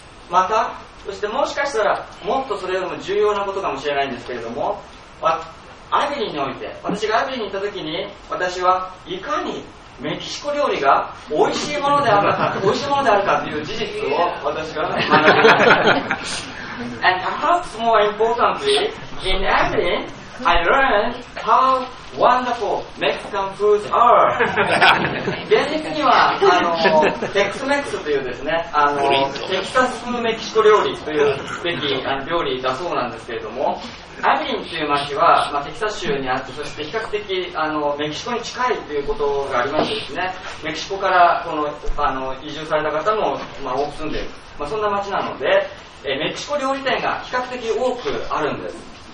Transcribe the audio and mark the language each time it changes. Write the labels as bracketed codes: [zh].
[ja] また、そしてもしかしたらもっとそれよりも重要なことかもしれないんですけれども、アビリンにおいて、私がアビリンに行った時に、私はいかにメキシコ料理が美味しいものであるか、美味しいものであるかという事実を私が学びました。 [en] And perhaps more importantly, in AglinI learned how wonderful Mexican foods are. [ja] 現実にはテクスメックスというですね、テキサス風メキシコ料理というべき料理だそうなんですけれども、アビリンという町は、テキサス州にあって、そして比較的メキシコに近いということがありましてですね、メキシコからこの移住された方も、多く住んでいる、そんな町なので、メキシコ料理店が比較的多くあるんです。